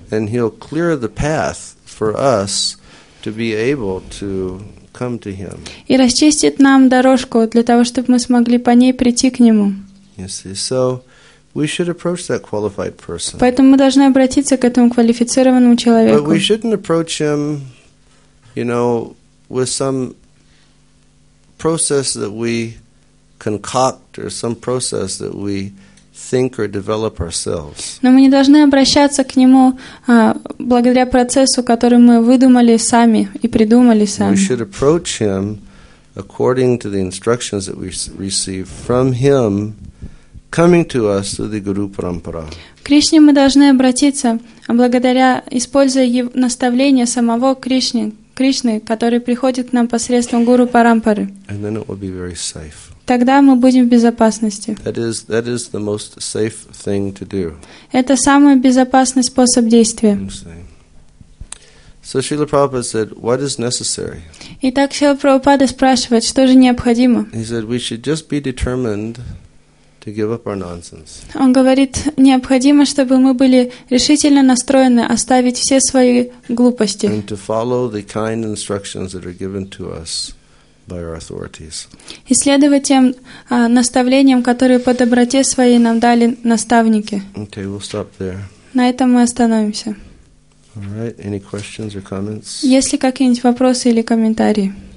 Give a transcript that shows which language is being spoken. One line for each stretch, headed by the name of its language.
Russian: и очистит путь
English: for us to be able to come to him.
Russian: И расчистит нам дорожку для того, чтобы мы смогли по ней прийти к нему.
English: So we should approach that qualified person.
Russian: Поэтому мы должны обратиться к этому квалифицированному человеку.
English: But we shouldn't approach him, you know, with some process that we concoct or some process that we think or develop ourselves.
Russian: Но мы не должны обращаться к нему благодаря процессу, который мы выдумали сами и придумали сами.
English: We should approach him according to the instructions that we receive from him coming to us through the Guru Parampara.
Russian: К Кришне мы должны обратиться, благодаря, используя наставления самого Кришны, который приходит к нам посредством Гуру Парампары.
English: And then it will be very safe.
Russian: Тогда мы будем в безопасности.
English: That is the most safe thing to do.
Russian: Это самый безопасный способ действия.
English: So Srila Prabhupada said, what is necessary?
Russian: Итак, Шрила Прабхупада спрашивает, что же необходимо?
English: He said, we should just be determined to give up our nonsense.
Russian: Он говорит, необходимо, чтобы мы были решительно настроены оставить все свои глупости.
English: And to follow the kind instructions that are given to us by our authorities.
Russian: И следовать тем наставлениям, которые по доброте своей нам дали наставники.
English: Okay, we'll stop there.
Russian: На этом мы остановимся.
English: All right, any questions or comments?
Russian: Есть ли какие-нибудь вопросы или комментарии?